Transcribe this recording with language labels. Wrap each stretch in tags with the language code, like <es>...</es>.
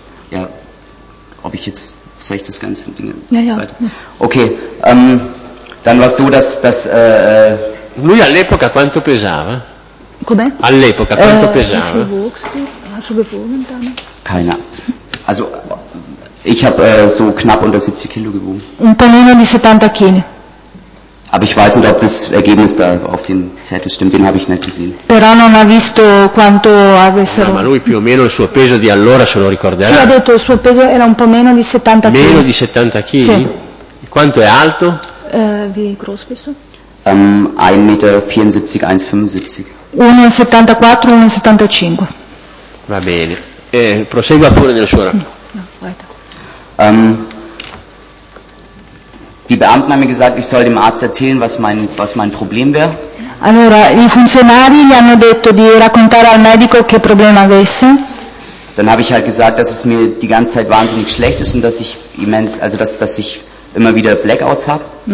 <de>Ja, ob ich jetzt zeige ich das ganze Ding. Ja, ja. Okay, dann war es so, dass</de> <it>lui all'epoca quanto pesava? Come? All'epoca quanto pesava?</it> <de>Wie viel wogst du? Hast du gewogen dann? Keiner. Also ich habe so knapp unter 70 Kilo gewogen.</de> <it>Un po' meno di 70 kg.</it> <de>Aber ich weiß nicht, ob das Ergebnis da auf dem Zettel stimmt, den habe ich nicht gesehen.</de> <it>Però non ha visto quanto avessero. Ma lui più o meno il suo peso di allora se lo ricorderà. Sì, ha detto il suo peso era un po' meno di 70 kg. Meno di 70 kg? Sì. Quanto è alto?</it> <de>Wie groß bist du? 1,74 m, 1,75 m. 1,74 m, 1,75</de> <it>m. Va bene. Prosegua pure nel suo racconto.</it> <de>No, weiter. Die Beamten haben mir gesagt, ich soll dem Arzt erzählen, was mein Problem wäre.</de> <it>Allora, i funzionari gli hanno detto di raccontare al medico che problema avesse.</it> <de>Dann habe ich halt gesagt, dass es mir die ganze Zeit wahnsinnig schlecht ist und dass ich immens, also dass ich immer wieder Blackouts habe.</de>